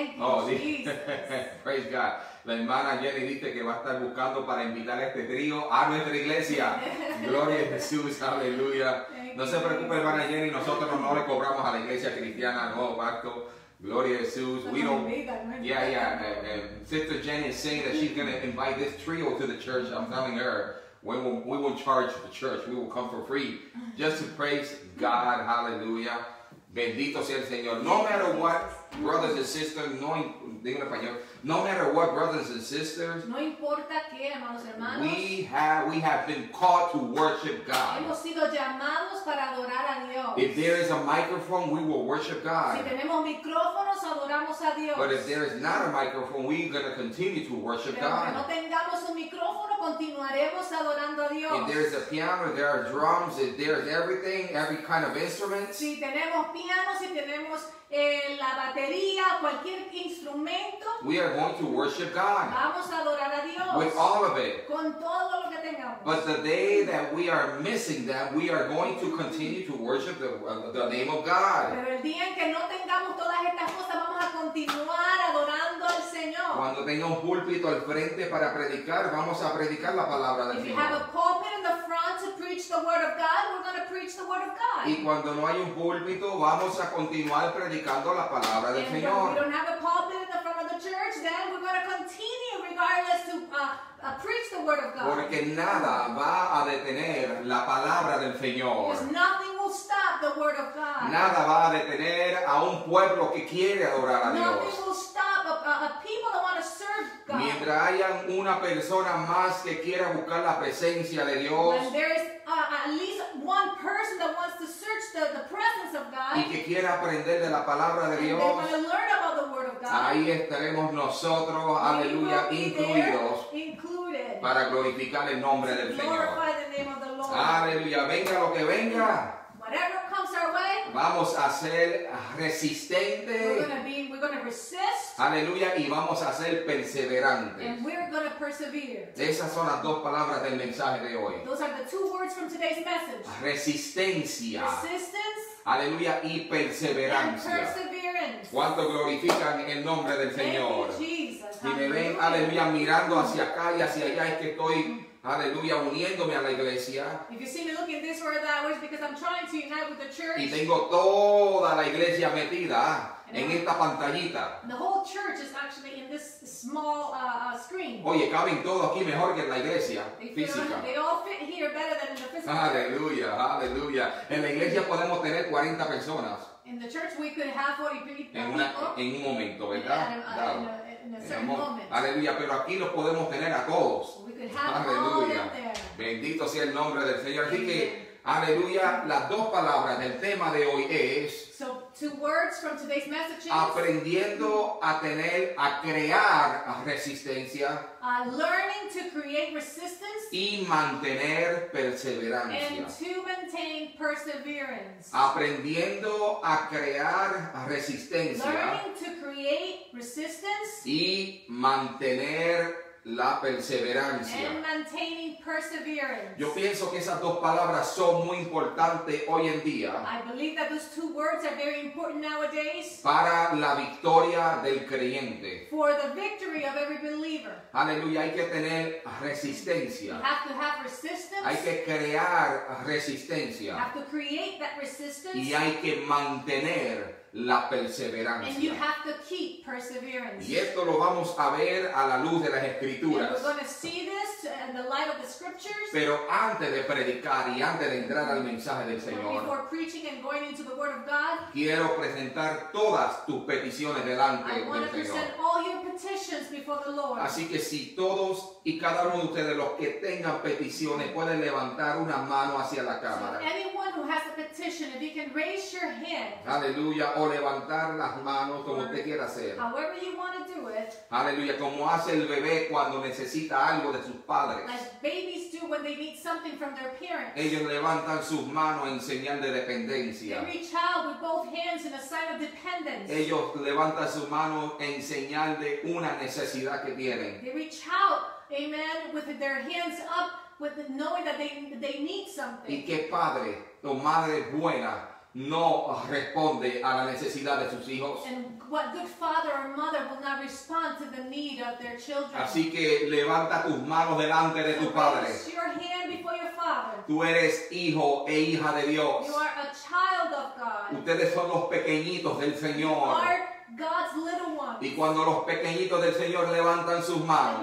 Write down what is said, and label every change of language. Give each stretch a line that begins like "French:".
Spanish: Oh, sí.
English: Praise God.
Spanish: La hermana Jenny dice que va a estar buscando para invitar a este trío a nuestra iglesia. Gloria a Jesús, aleluya. No se preocupe, hermana Jenny, nosotros no le cobramos a la iglesia cristiana, no, pacto. Gloria a Jesús.
English: We don't. Yeah, yeah. Sister Jenny is saying that she's going to invite this trio to the church. I'm telling her. We will charge the church. We will come for free. Just to praise God. Hallelujah.
Spanish: Bendito sea el Señor.
English: No matter what, brothers and sisters,
Spanish: no, digo en español,
English: no matter what, brothers and sisters,
Spanish: no importa qué, hermanos, hermanos,
English: we have been called to worship God.
Spanish: Hemos sido llamados para adorar a Dios.
English: If there is a microphone, we will worship God.
Spanish: Si tenemos micrófonos, adoramos a Dios.
English: But if there is not a microphone, we're going to continue to worship
Spanish: Pero
English: God.
Spanish: No tengamos un micrófono, continuaremos adorando a Dios.
English: If there is a piano, there are drums, if there is everything, every kind of instrument.
Spanish: Si tenemos pianos, si tenemos la batería, cualquier instrumento,
English: we are going to worship God.
Spanish: Vamos a adorar a Dios.
English: With all of it.
Spanish: Con todo lo que tengamos.
English: But the day that we are missing that, we are going to continue to worship the name of God.
Spanish: Pero el día en que no tengamos todas estas cosas, vamos a continuar adorando al Señor. Cuando tenga un púlpito al frente para predicar, vamos a predicar la palabra del Señor.
English: If you have a pulpit in the front to preach the word of God, we're going to preach the word of God.
Spanish: Y cuando no hay un púlpito, vamos a continuar predicando predicando la palabra del Señor.
English: If we don't have a pulpit in the front of the church, then we're going to continue regardless to preach the word of God.
Spanish: Porque nada va a detener la palabra del Señor.
English: Because nothing will stop the word of God.
Spanish: Nada va a detener a un pueblo que quiere adorar a Dios.
English: Nothing will stop a people that want to serve God.
Spanish: Mientras haya una persona más que quiera buscar la presencia de Dios.
English: When there is at least one person that wants to search the presence of God.
Spanish: Y que quiera aprender de la palabra de Dios.
English: And they want to learn about the word of God.
Spanish: Ahí estaremos nosotros, aleluya, incluidos. Para glorificar el nombre del Señor.
English: Glorify the name of the Lord.
Spanish: Aleluya, venga lo que venga.
English: Whatever comes our way.
Spanish: Vamos a ser resistentes.
English: We're going to resist.
Spanish: Aleluya, y vamos a ser perseverantes.
English: And we're going to persevere.
Spanish: Esas son las dos palabras del mensaje de hoy.
English: Those are the two words from today's message.
Spanish: Resistencia.
English: Resistance.
Spanish: Aleluya, y perseverancia.
English: And perseverance.
Spanish: ¿Cuánto glorifican en el nombre del Señor? Y me ven, aleluya, mirando hacia acá y hacia allá, es que estoy, aleluya, uniéndome a la iglesia.
English: If you see me looking this way or that way, it's because I'm trying to unite with the church.
Spanish: Y tengo toda la iglesia metida en esta pantallita.
English: The whole church is actually in this small screen.
Spanish: Oye, caben todos aquí mejor que en la iglesia física.
English: They all fit here better than in the physical.
Spanish: Aleluya, aleluya. En la iglesia podemos tener 40 personas.
English: In the church we could have 40 people.
Spanish: En un momento, ¿verdad?
English: Yeah, in a certain moment.
Spanish: Aleluya, pero aquí los podemos tener a todos.
English: We could have aleluya. All in there.
Spanish: Bendito sea el nombre del Señor. Así que, aleluya, las dos palabras del tema de hoy es
English: so, two words from today's message.
Spanish: Aprendiendo a tener, a crear resistencia.
English: Learning to create resistance.
Spanish: Y mantener perseverancia.
English: And to maintain perseverance.
Spanish: Aprendiendo a crear resistencia.
English: Learning to create resistance.
Spanish: Y mantener la perseverancia.
English: And maintaining perseverance.
Spanish: Yo pienso que esas dos palabras son muy importantes hoy en día.
English: I believe that those two words are very important nowadays.
Spanish: Para la victoria del creyente.
English: For the victory of every believer.
Spanish: Aleluya, hay que tener resistencia.
English: You have to have resistance.
Spanish: Hay que crear resistencia.
English: You have to create that resistance.
Spanish: Y hay que mantener la perseverancia.
English: And you have to keep perseverance.
Spanish: Y esto lo vamos a ver a la luz de las Escrituras.
English: And we're going to see this in the light of the Scriptures.
Spanish: Pero antes de predicar y antes de entrar al mensaje del Señor,
English: before preaching and going into the Word of God,
Spanish: quiero presentar todas tus peticiones delante del Señor.
English: I want to present all your petitions before the Lord.
Spanish: Así que si todos y cada uno de ustedes, los que tengan peticiones, pueden levantar una mano hacia la cámara.
English: So anyone who has a petition, if you can raise your hand.
Spanish: Aleluya. O levantar las manos como usted quiera hacer.
English: However you want to do it.
Spanish: Aleluya, como hace el bebé cuando necesita algo de sus padres.
English: As babies do when they need something from their parents.
Spanish: Ellos levantan sus manos en señal de dependencia.
English: Every child with both hands in a sign of dependence.
Spanish: Ellos levantan sus manos en señal de una necesidad que tienen.
English: They reach out, amen, with their hands up, with knowing that they need something.
Spanish: Y qué padre o madre buena no responde a la necesidad de sus hijos.
English: And what good father or mother will not respond to the need of their children.
Spanish: Así que levanta tus manos delante de tu padre.
English: Raise your hand before your father.
Spanish: Tú eres hijo e hija de Dios.
English: You are a child of God.
Spanish: Ustedes son los pequeñitos del Señor.
English: You are God's little ones.
Spanish: Y cuando los pequeñitos del Señor levantan sus manos,